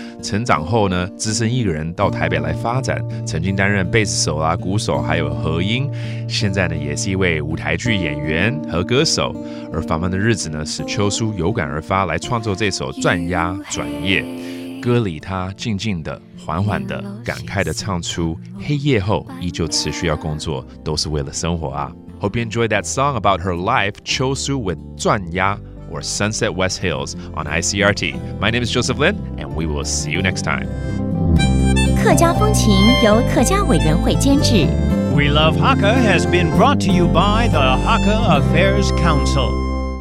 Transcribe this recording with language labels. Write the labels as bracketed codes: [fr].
[zh] 成长后呢，只身一个人到台北来发展，曾经担任Bass手啊、鼓手还有合音，现在呢也是一位舞台剧演员和歌手。而繁忙的日子呢，使邱舒有感而发来创作这首《转鸭转业》。歌里他静静的、缓缓的、感慨的唱出黑夜后依旧持续要工作，都是为了生活啊。 [en] Hope you enjoyed that song about her life, Chosu with 转鸭 or Sunset West Hills on ICRT. My name is Joseph Lin, and we will see you next time. [zh] 客家风情由客家委员会监制。 [en] We Love Hakka has been brought to you by the Hakka Affairs Council.